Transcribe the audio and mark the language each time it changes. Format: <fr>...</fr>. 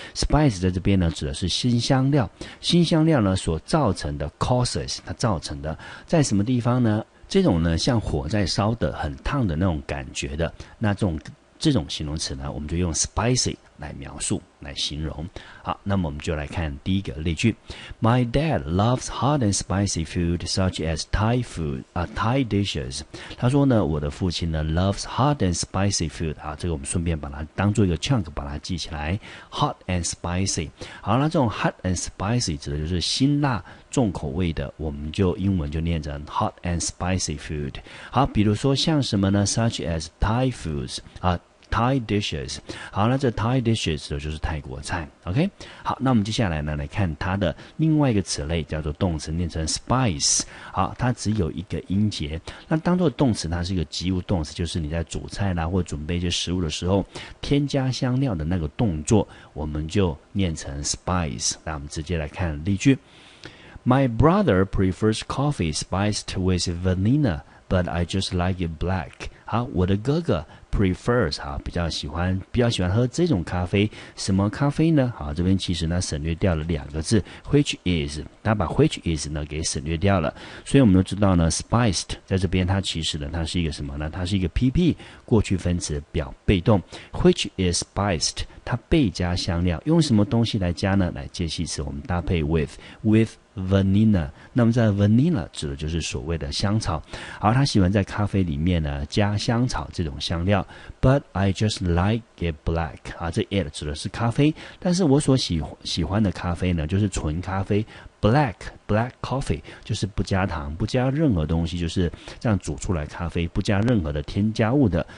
<zh>spice 在这边呢指的是新香料，新香料呢所造成的 causes， 它造成的在什么地方呢？这种呢像火在烧的很烫的那种感觉的，那这种形容词呢我们就用 spicy 来描述来形容。好，那么我们就来看第一个例句。</zh> <en>My dad loves hot and spicy food such as Thai food, Thai dishes.</en> <zh>他说呢，我的父亲呢</zh> <en>loves hot and spicy food.</en> <zh>好，这个我们顺便把它当做一个 chunk 把它记起来， hot and spicy。好，那这种 hot and spicy 指的就是辛辣重口味的，我们就英文就念成 hot and spicy food。好，比如说像什么呢？</zh> <en>such as Thai foods, Thai dishes。</en> <zh>好，那这 Thai dishes 的就是泰国菜。OK， 好，那我们接下来呢来看它的另外一个词类，叫做动词，念成 spice。好，它只有一个音节，那当作动词它是一个及物动词，就是你在煮菜啦或准备一些食物的时候添加香料的那个动作，我们就念成 spice。那我们直接来看例句。</zh> <en>My brother prefers coffee spiced with vanilla, but I just like it black.</en> <zh>好，我的哥哥 prefers, 好，比较喜欢喝这种咖啡。什么咖啡呢？好，这边其实呢省略掉了两个字 ,which is, 他把 which is 呢给省略掉了。所以我们都知道呢 ,spiced, 在这边它其实呢它是一个什么呢？它是一个 PP, 过去分词表被动。</zh> <en>which is spiced,</en> <zh>它被加香料。用什么东西来加呢？来介系词，我们搭配 with,Vanilla， 那么在 Vanilla 指的就是所谓的香草。好，他喜欢在咖啡里面呢加香草这种香料。</zh> <en>But I just like it black，</en> <zh>啊，这 it 指的是咖啡，但是我所喜欢的咖啡呢就是纯咖啡 ，black coffee， 就是不加糖、不加任何东西，就是这样煮出来咖啡，不加任何的添加物的。</zh>